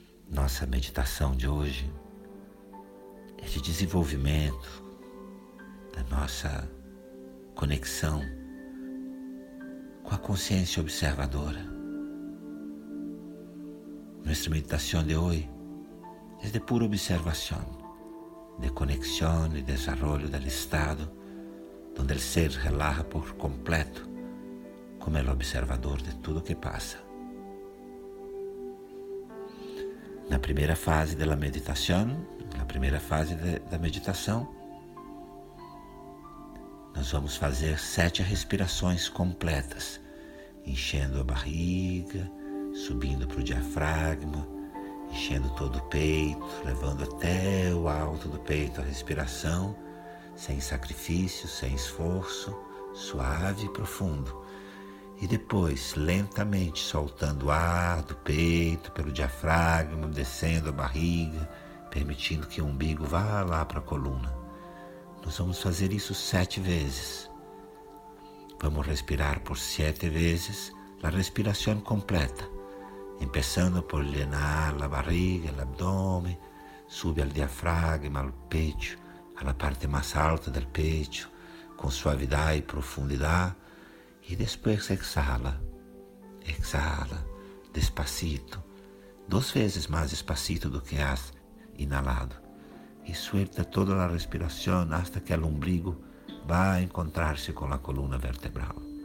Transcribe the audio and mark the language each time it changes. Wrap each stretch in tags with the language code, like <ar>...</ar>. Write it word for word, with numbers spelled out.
<pt>Nossa meditação de hoje é de desenvolvimento da nossa conexão com a consciência observadora.</pt> <es>Nuestra meditación de hoy es de pura observación, de conexión y desarrollo del estado donde el ser relaja por completo como el observador de todo que pasa.</es> <pt>Na primeira fase da meditação, na primeira fase de, da meditação, nós vamos fazer sete respirações completas, enchendo a barriga, subindo para o diafragma, enchendo todo o peito, levando até o alto do peito a respiração, sem sacrifício, sem esforço, suave e profundo. E depois, lentamente, soltando o ar do peito, pelo diafragma, descendo a barriga, permitindo que o umbigo vá lá para a coluna. Nós vamos fazer isso sete vezes. Vamos respirar por sete vezes a respiração completa, começando por</pt> <es>llenar</es> <pt>a barriga, o abdômen,</pt> <es>sube</es> <pt>ao diafragma, ao peito, à parte mais alta do peito, com suavidade e profundidade.</pt> <es>Y después exhala, exhala, despacito, dos veces más despacito</es> <pt>do que</pt> <es>has inhalado. Y suelta toda la respiración hasta que el ombligo va a encontrarse con la columna vertebral.</es>